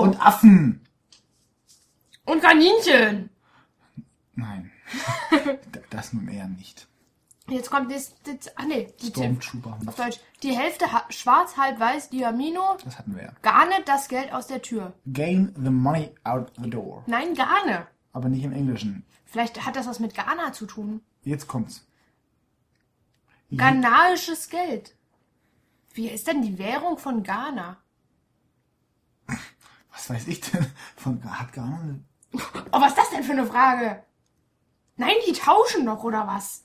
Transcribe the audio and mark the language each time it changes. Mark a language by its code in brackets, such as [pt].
[de] Und Affen. Und Kaninchen. Nein, das nun eher nicht. Jetzt kommt das ach nee. Die Stormtrooper. Auf Deutsch. Die Hälfte schwarz, halb weiß, Diamino. Das hatten wir ja. Garne das Geld aus der Tür. [en] Gain the money out the door. [de] Nein, garne. Aber nicht im Englischen. Vielleicht hat das was mit Ghana zu tun. Jetzt kommt's. Ghanaisches Geld. Wie ist denn die Währung von Ghana? Was weiß ich denn? Hat Ghana eine... Oh, was ist das denn für eine Frage? Nein, die tauschen doch, oder was?